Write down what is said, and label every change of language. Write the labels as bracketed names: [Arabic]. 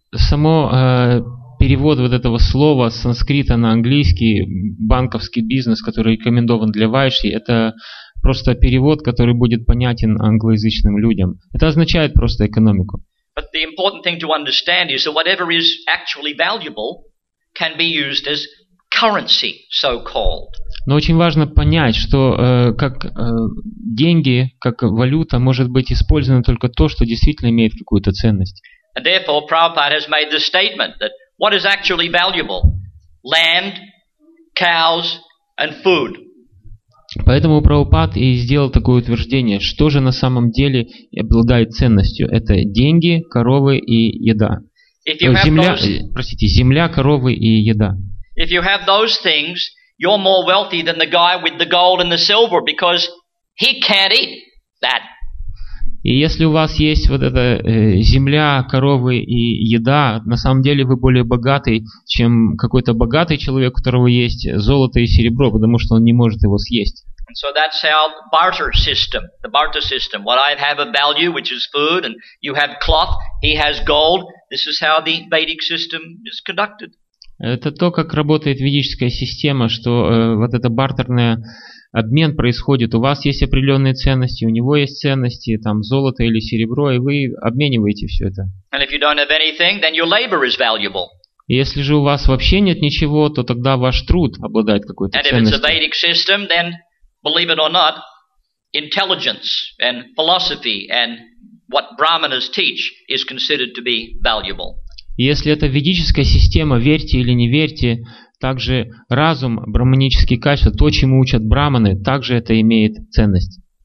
[Russian] Само перевод вот этого слова с санскрита на английский банковский бизнес, который рекомендован для Вайши, это просто перевод, который будет понятен англоязычным людям. Это означает просто экономику. [English] But the important thing to understand is that whatever is actually valuable can be used as currency, so-called. [Russian] Но очень важно понять, что деньги, как валюта, может быть использовано только то, что действительно имеет какую-то ценность. [English] And therefore, Prabhupada has made the statement that what is actually valuable? Land, cows, and food. [Russian] Поэтому Прабхупад и сделал такое утверждение, что же на самом деле обладает ценностью. Это деньги, коровы и еда. Земля, коровы и еда. [English] If you have those things, you're more wealthy than the guy with the gold and the silver, because he can't eat that. [Russian] И если у вас есть вот эта земля, коровы и еда, на самом деле вы более богатый, чем какой-то богатый человек, у которого есть золото и серебро, потому что он не может его съесть. [English] And so that's how the barter system. What I have of value, which is food, and you have cloth, he has gold. This is how the Vedic system is conducted. [Russian] Это то, как работает ведическая система, что вот это бартерное обмен происходит. У вас есть определенные ценности, у него есть ценности, там золото или серебро, и вы обмениваете все это. [English] And if you don't have anything, then your labor is valuable. [Russian] Если же у вас вообще нет ничего, то тогда ваш труд обладает какой-то [English] and [Russian] ценностью. [English] And if it's a Vedic system, then believe it or not, intelligence and philosophy and what brahmanas teach is considered to be valuable. [Russian] Если это ведическая система, верьте или не верьте, также разум, брахманические качества, то, чему учат брахманы, также это имеет ценность.